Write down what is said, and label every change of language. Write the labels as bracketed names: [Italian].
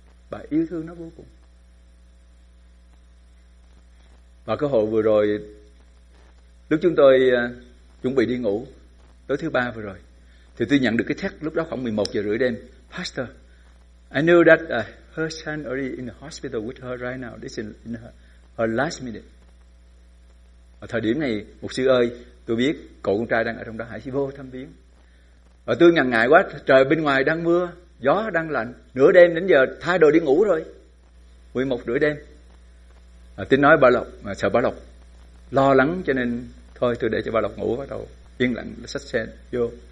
[Vietnamese] Bà yêu thương nó vô cùng. Và cơ hội vừa rồi, lúc chúng tôi chuẩn bị đi ngủ tối thứ ba vừa rồi, thì tôi nhận được cái text lúc đó khoảng 11 giờ rưỡi đêm. [English] Pastor, I knew that her son already in the hospital with her right now. This is in her last minute. [Vietnamese] Ở thời điểm này, mục sư ơi, tôi biết cậu con trai đang ở trong đó, hãy vô thăm viếng. Và tôi ngần ngại quá, trời bên ngoài đang mưa, gió đang lạnh, nửa đêm đến giờ thay đồ đi ngủ rồi, 11 rưỡi đêm. Tôi nói bà Lộc, mà sợ bà Lộc lo lắng cho nên thôi tôi để cho bà Lộc ngủ, bắt đầu yên lặng xách xe vô.